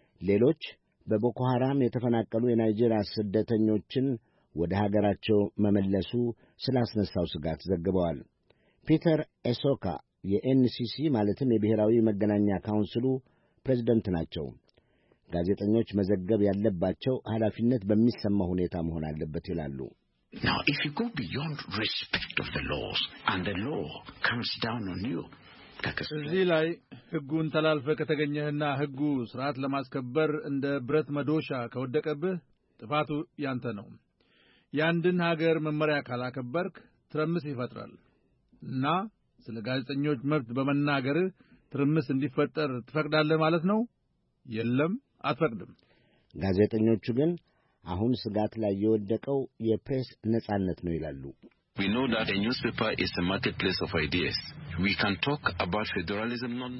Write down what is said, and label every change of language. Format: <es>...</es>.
<am>ሌሎች በቦኮ ሐራም የተፈናቀሉ የናይጄሪያ ስደተኞችን ወደ ሀገራቸው መመለሱ ስላስነሳው ስጋት ዘግበዋል። ፒተር ኤሶካ የኤንሲሲ ማለትም የብሔራዊ መገናኛ ካውንስሉ ፕሬዝደንት ናቸው። ጋዜጠኞች መዘገብ ያለባቸው ኃላፊነት በሚሰማ ሁኔታ መሆን አለበት ይላሉ።</am> <en>Now, if you go beyond respect of the laws and the law comes down on you,</en> <am>እዚህ ላይ ህጉን ተላልፈ ከተገኘህና ህጉ ስርዓት ለማስከበር እንደ ብረት መዶሻ ከወደቀብህ ጥፋቱ ያንተ ነው። ያንድን ሀገር መመሪያ ካላከበርክ ትርምስ ይፈጠራል። እና ስለ ጋዜጠኞች መብት በመናገር ትርምስ እንዲፈጠር ትፈቅዳለህ ማለት ነው? የለም አትፈቅድም። ጋዜጠኞቹ ግን አሁን ስጋት ላይ የወደቀው የፕሬስ ነጻነት ነው ይላሉ።</am> <en>We know that a newspaper is a marketplace of ideas. We can talk about federalism not</en>